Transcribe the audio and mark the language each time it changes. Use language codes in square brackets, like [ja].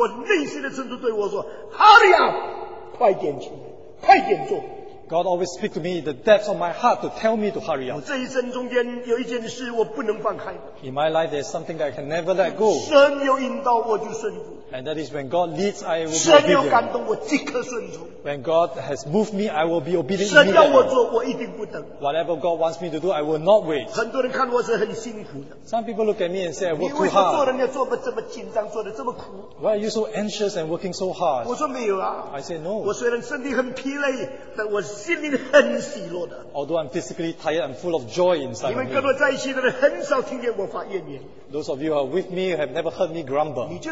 [zh] 就是他把我们松懈下来的脚步调快，以配合上帝在永远的旨意里面为我们定下的速度。神常常在我内心的深处对我说： [en] “Hurry up， [zh] 快点去，快点做。” [en] God always speaks to me in the depths of my heart to tell me to hurry up. [zh] 我这一生中间有一件事我不能放开。 [en] In my life, there's something that I can never let go. [zh] 神有引导我就顺服。 [en] And that is when God leads, I will be obedient. [zh] 神有感动我即刻顺从。 [en] When God has moved me, I will be obedient. [zh] 神要我做，我一定不等。 [en] Whatever God wants me to do, I will not wait. [zh] 很多人看我是很辛苦的。 [en] Some people look at me and say, I work too hard. [zh] 你为什么做人家做得这么紧张，做得这么苦？ [en] Why are you so anxious and working so hard? [zh] 我说没有啊。 [en] I say no. [zh] 我虽然身体很疲累，但我心里很喜乐的。 [en] Although I'm physically tired, I'm full of joy inside. [zh] 你们跟我在一起的人很少听见我发怨言。 [en] Those of you who are with me have never heard me grumble.